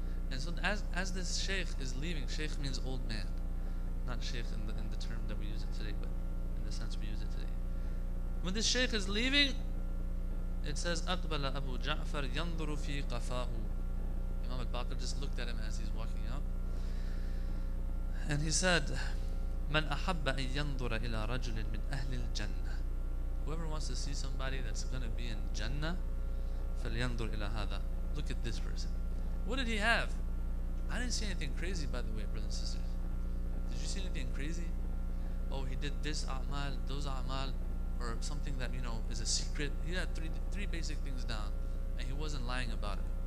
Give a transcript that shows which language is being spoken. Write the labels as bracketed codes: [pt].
[en] And so as this sheikh is leaving, sheikh means old man, not sheikh in the term that we use it today, but in the sense we use it today. When this sheikh is leaving, it says, [ar] أَقْبَلَ أَبُو جَعْفَرْ يَنْظُرُ فِي قَفَاهُ. [en] Imam al-Baqir just looked at him as he's walking out. And he said, [ar] مَنْ أَحَبَّ أَن يَنْظُرَ إِلَى رَجُلٍ مِنْ أَهْلِ الْجَنَّةِ. [en] Whoever wants to see somebody that's going to be in Jannah, [ar] فَلْيَنْظُرْ إِلَى هَذَا. [en] Look at this person. What did he have? I didn't see anything crazy, by the way, brothers and sisters. Did you see anything crazy? Oh, he did this a'mal, those a'mal, or something that, you know, is a secret. He had three basic things down, and he wasn't lying about it.